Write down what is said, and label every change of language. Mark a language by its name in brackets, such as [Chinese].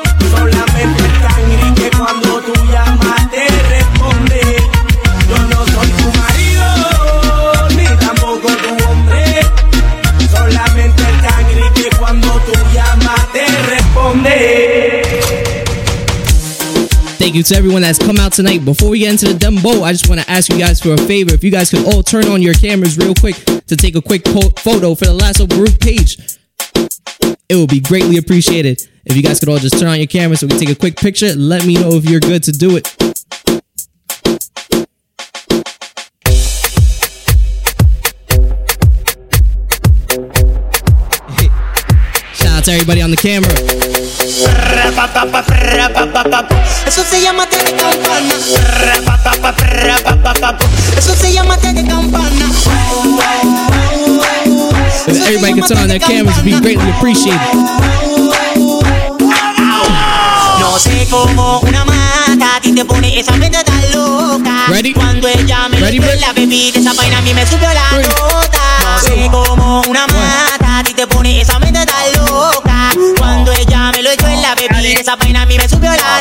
[Spanish] Solamente el cangri que cuando tú llamas te responde. Yo no soy tu marido, ni tampoco tu hombre. Solamente el cangri que cuando tú llamas te responde. [English] Thank you to everyone that's come out tonight. Before we get into the dembo, I just want to ask you guys for a favor. If you guys could all turn on your cameras real quick to take a quick photo for the Lasso group page, it would be greatly appreciated. If you guys could all just turn on your cameras so we can take a quick picture, let me know if you're good to do it. Shout out to everybody on the camera. [Spanish] Eso se llama té de campana. Eso se llama té de campana. [English] And everybody can turn on their cameras, be greatly appreciated. [Spanish] No sé cómo una mata a ti te pone esa mente tan loca. [English] Ready? [Spanish] Cuando ella me dice la bebida, esa vaina a mí me subió la nota. No sé cómo una mata a ti te pone esa mente tan loca. Cuando ella me lo echó en la bebida, esa vaina a mí me subió la nota.